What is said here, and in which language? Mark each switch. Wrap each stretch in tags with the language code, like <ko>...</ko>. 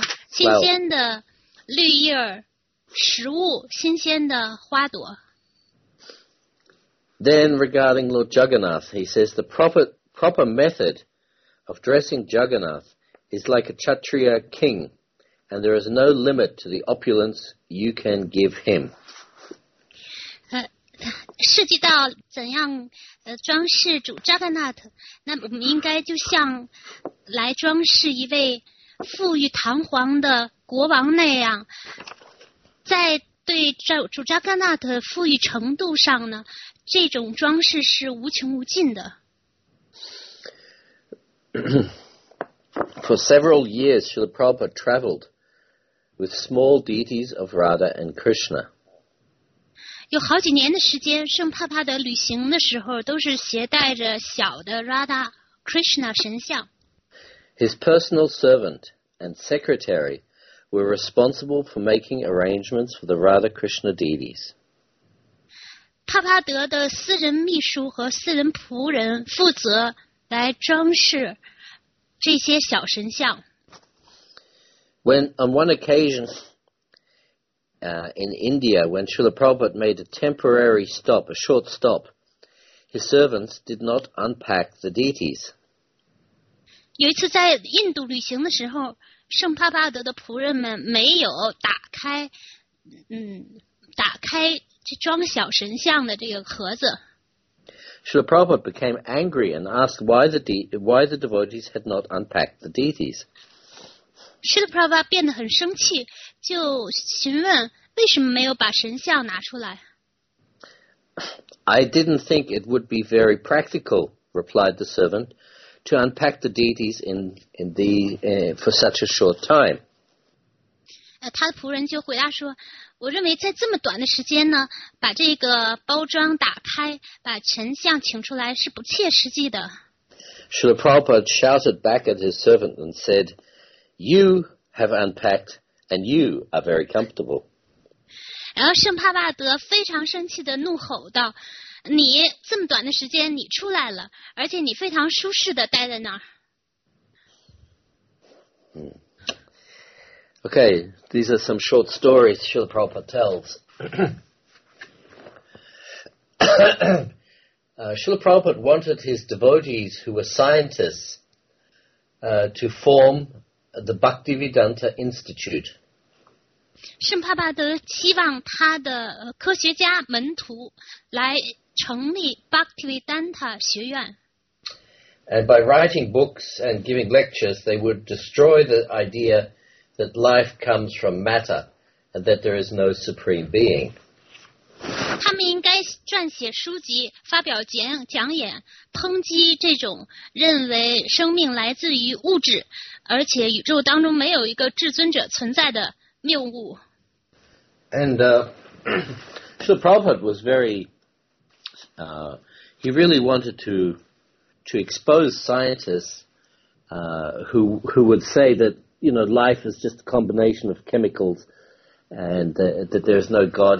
<zh>新鲜的绿叶食物，新鲜的花朵。</zh> <en>Then regarding Lord Jagannath, he says the proper method of dressing Jagannath is like a Kshatriya king, and there is no limit to the opulence you can give him.</en> <zh>涉及到怎样装饰主 Jagannath, 那我们应该就像来装饰一位富裕堂皇的国王那样，在对主 Jagannath 富裕程度上呢，这种装饰是无穷无尽的。</zh> <en>For several years, Srila Prabhupada traveled with small deities of Radha and Krishna.</en> <zh>有好几年的时间，圣帕帕德旅行的时候都是携带着小的 Radha Krishna 神像。</zh> <en>His personal servant and secretary were responsible for making arrangements for the Radha Krishna deities.</en> <zh>帕帕德的私人秘书和私人仆人负责来装饰这些小神像。</zh> <en>When on one occasion,in India, when Srila Prabhupada made a temporary stop, a short stop, his servants did not unpack the deities.</en> <zh>有一次在印度旅行的时候，圣帕帕德的仆人们没有打开这装小神像的这个盒子。</zh> <en>Srila Prabhupada became angry and asked why the devotees had not unpacked the deities.</en> <zh>Srila Prabhupada 变得很生气，就询问为什么没有把神像拿出来。</zh> <en>I didn't think it would be very practical, replied the servant, to unpack the deities in the, for such a short time.</en> <zh>他的仆人就回答说，我认为在这么短的时间呢，把这个包装打开，把神像请出来是不切实际的。</zh> <en>Srila Prabhupada shouted back at his servant and said, you have unpacked and you are very comfortable.</en> <zh>然后圣帕巴德非常生气地怒吼道，你这么短的时间你出来了，而且你非常舒适地待在那儿。</zh> <en>Okay, these are some short stories Srila Prabhupada tells. Srila Prabhupada wanted his devotees who were scientists to form the Bhaktivedanta Institute.</en> <zh>圣帕巴德希望他的科学家门徒来成立 Bhaktivedanta 学院。</zh> <en>And by writing books and giving lectures, they would destroy the idea that life comes from matter and that there is no supreme being.</en> <zh>他们应该撰写书籍，发表讲演，抨击这种认为生命来自于物质，而且宇宙当中没有一个至尊者存在的谬误。</zh> <en>And Srila Prabhupada was very, he really wanted to expose scientists who would say that, you know, life is just a combination of chemicals and that there is no God.</en>